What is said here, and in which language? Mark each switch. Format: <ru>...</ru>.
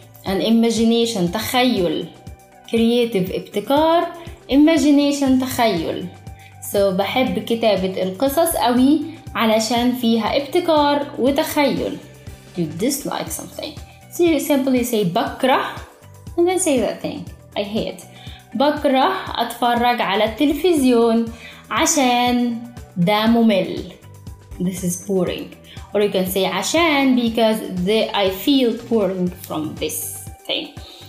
<en>An imagination,</en> <ar>تخيل.</ar> <en>Creative,</en> <ar>ابتكار.</ar> <en>Imagination,</en> <ar>تخيل. So بحب كتابة القصص قوي علشان فيها ابتكار وتخيل.</ar> <en>You dislike something. So you simply say</en> <ar>بكره</ar> <en>and then say that thing. I hate.</en> <ar>بكره اتفرج على التلفزيون عشان ده ممل.</ar> <en>This is boring. Or you can say</en> <ar>عشان</ar> <en>because I feel boring from this thing.</en>